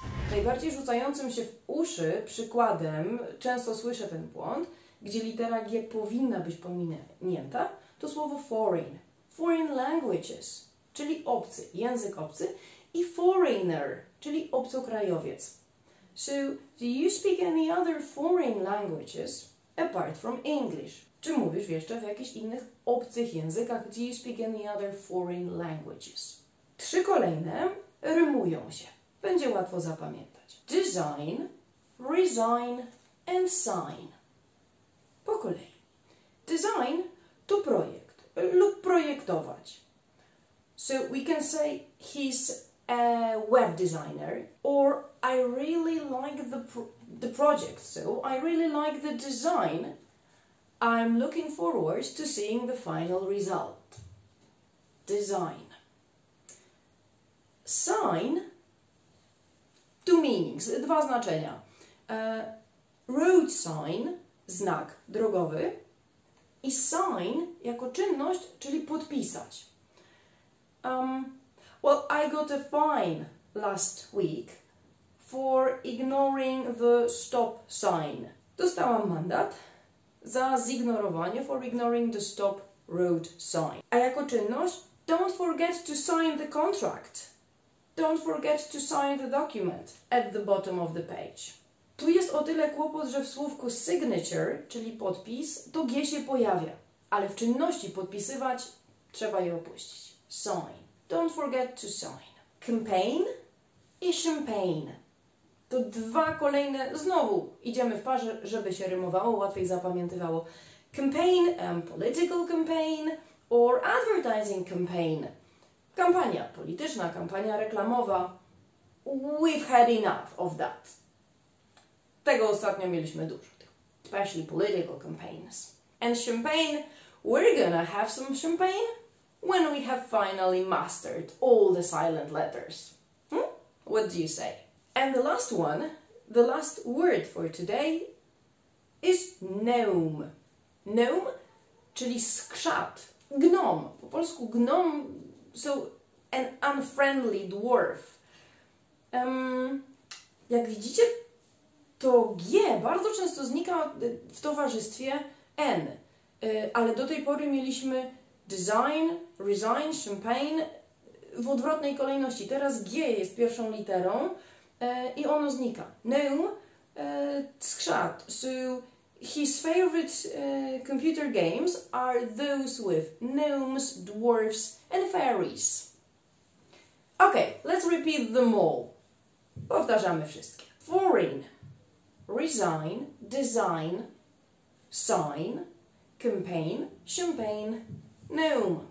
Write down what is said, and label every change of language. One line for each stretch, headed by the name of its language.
Polish: Najbardziej rzucającym się w uszy przykładem, często słyszę ten błąd, gdzie litera G powinna być pominięta, to słowo foreign.
English: Foreign languages,
Polish: czyli obcy, język obcy. I foreigner, czyli obcokrajowiec.
English: So, do you speak any other foreign languages apart from English?
Polish: Czy mówisz jeszcze w jakichś innych obcych językach?
English: Do you speak any other foreign languages?
Polish: Trzy kolejne rymują się. Będzie łatwo zapamiętać.
English: Design, resign and sign.
Polish: Po kolei. Design to projekt lub projektować.
English: So we can say he's a web designer or I really like the project. So I really like the design. I'm looking forward to seeing the final result. Design. Sign. Two meanings.
Polish: Dwa znaczenia.
English: Road sign.
Polish: Znak drogowy i sign jako czynność, czyli podpisać.
English: Well, I got a fine last week for ignoring the stop sign.
Polish: Dostałam mandat za zignorowanie,
English: for ignoring the stop road sign.
Polish: A jako czynność,
English: don't forget to sign the contract. Don't forget to sign the document at the bottom of the page.
Polish: Tu jest o tyle kłopot, że w słówku signature, czyli podpis, to G się pojawia. Ale w czynności podpisywać trzeba je opuścić. Sign.
English: Don't forget to sign. Campaign i champagne.
Polish: To dwa kolejne, znowu idziemy w parze, żeby się rymowało, łatwiej zapamiętywało.
English: Campaign, political campaign or advertising campaign.
Polish: Kampania polityczna, kampania reklamowa.
English: We've had enough of that.
Polish: Tego ostatnio mieliśmy dużo,
English: especially political campaigns. And champagne, we're gonna have some champagne when we have finally mastered all the silent letters. What do you say? And the last one, the last word for today is gnome.
Polish: Gnome, czyli skrzat, gnom. Po polsku gnom,
English: so an unfriendly dwarf.
Polish: Jak widzicie, to G bardzo często znika w towarzystwie N. Ale do tej pory mieliśmy design, resign, champagne w odwrotnej kolejności. Teraz G jest pierwszą literą i ono znika. Gnome, skrzat.
English: So, his favorite computer games are those with gnomes, dwarfs and fairies. Ok, let's repeat them all.
Polish: Powtarzamy wszystkie.
English: Foreign. Resign, design, sign, campaign, champagne, gnome.